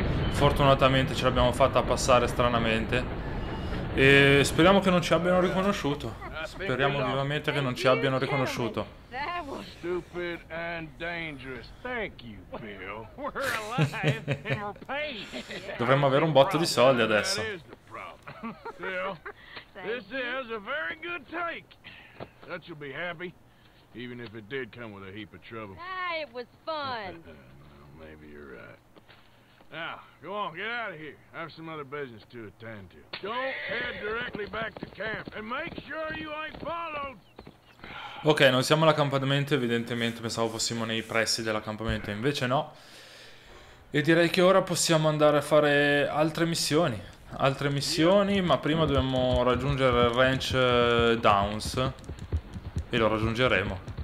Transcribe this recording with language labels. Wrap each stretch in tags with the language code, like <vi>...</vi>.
<it>Fortunatamente ce l'abbiamo fatta passare, stranamente. E speriamo che non ci abbiano riconosciuto. Speriamo vivamente che non ci abbiano riconosciuto.</it> <en>Stupid and dangerous. Thank you, Bill. We're alive.</en> <it>Dovremmo avere un botto di soldi adesso.</it> <en>This is a very good take. That you'll be happy, even if it did come with a heap of trouble. Ah, it was fun. Maybe you're right. Now, go on, get out of here. I have some other business to attend to. Don't head directly back to camp and make sure you ain't followed.</en> <it>Ok, non siamo all'accampamento, evidentemente pensavo fossimo nei pressi dell'accampamento, invece no. E direi che ora possiamo andare a fare altre missioni. Altre missioni, ma prima dobbiamo raggiungere il ranch Downs. E lo raggiungeremo.</it>